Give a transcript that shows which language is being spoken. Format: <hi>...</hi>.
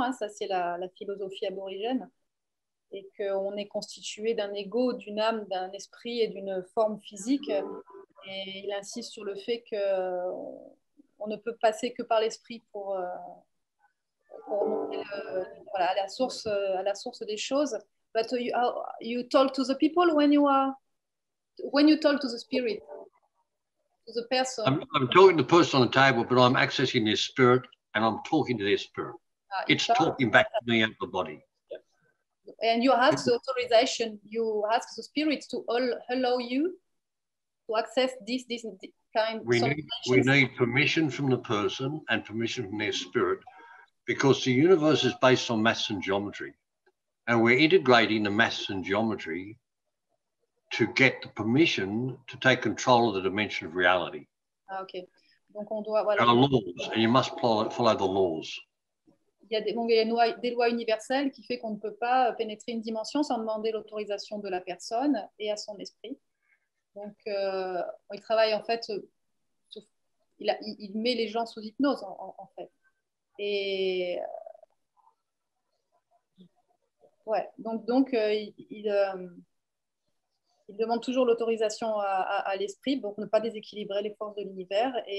<fr>Hein, ça, c'est la philosophie aborigène. Et qu'on est constitué d'un ego, d'une âme, d'un esprit et d'une forme physique. Et il insiste sur le fait qu'on ne peut passer que par l'esprit pour remonter à la source des choses.</fr> <en>But you talk to the people when you talk to the spirit, to the person. I'm talking to the person on the table, but I'm accessing their spirit and I'm talking to their spirit. Ah, it's talking back to me and the body. And you ask the authorization, you ask the spirit to allow you to access this kind. We need permission from the person and permission from their spirit, because the universe is based on mass and geometry. And we're integrating the mass and geometry to get the permission to take control of the dimension of reality.</en> <fr>Okay. Donc on doit, voilà.</fr> <en>There are laws, and you must follow the laws.</en> <fr>Il y a des lois universelles qui fait qu'on ne peut pas pénétrer une dimension sans demander l'autorisation de la personne et à son esprit. Donc, il travaille en fait, il met les gens sous hypnose en fait. Et ouais, donc il demande toujours l'autorisation à l'esprit pour ne pas déséquilibrer les forces de l'univers.</fr>